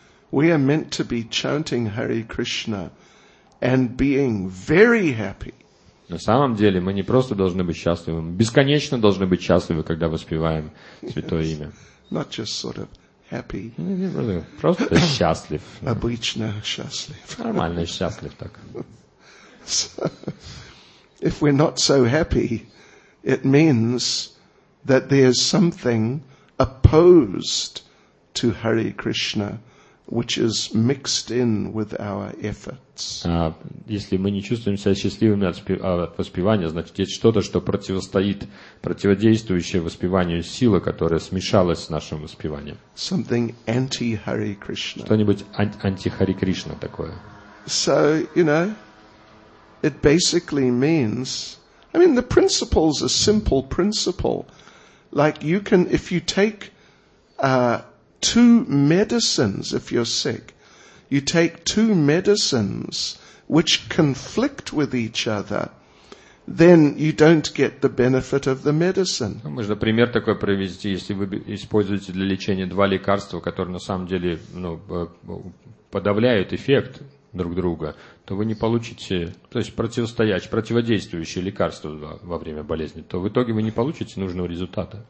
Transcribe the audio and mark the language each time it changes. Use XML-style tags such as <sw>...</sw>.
<en>We are meant to be chanting Hare Krishna and being very happy.</en> <ru>На самом деле мы не просто должны быть счастливы, мы бесконечно должны быть счастливы, когда воспеваем святое имя.</ru> <en>Not just sort of happy.</en> <ru>Просто счастлив. Обычно счастлив. Нормально счастлив так.</ru> <en>So, if we're not so happy, it means that there's something opposed to Hare Krishna, which is mixed in with our efforts.</en> <ru>Если мы не чувствуем себя счастливыми от воспевания, значит, есть что-то, что противостоит, противодействующее воспеванию сила, которая смешалась с нашим воспеванием.</ru> <en>Something anti-Hare Krishna.</en> <ru>Что-нибудь анти-Хари Кришна такое.</ru> <en>So, you know, it basically means, I mean, the principle is a simple principle. Like, you can, if you take two medicines, if you're sick, you take two medicines which conflict with each other, then you don't get the benefit of the medicine.</en> <ru>Можно пример такой привести, если вы используете для лечения два лекарства, которые на самом деле, ну, подавляют эффект друг друга, то вы не получите, то есть противостоящие, противодействующие лекарства во время болезни, то в итоге вы не получите нужного результата.</ru>